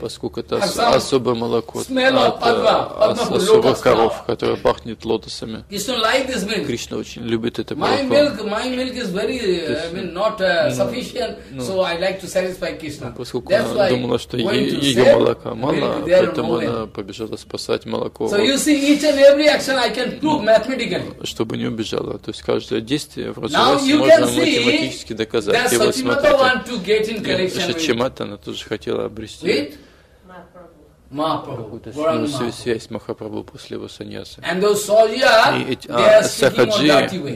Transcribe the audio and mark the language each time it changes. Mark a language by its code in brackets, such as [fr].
[ru] Поскольку это особое молоко от особых коров, которое пахнет лотосами. Кришна очень любит это молоко. [en] My milk is very, not sufficient, so I like to satisfy Krishna. [ru] Поскольку она думала, что ее молока мало, поэтому она побежала спасать молоко. [en] So you see, each and every action I can prove mathematically. [ru] Чтобы не убежала, то есть каждое действие в разуме можно математически доказать. И вы смотрите. Шачимата, она тоже хотела обрести какую-то связь с Махапрабху после его саньясы. И эти сахаджи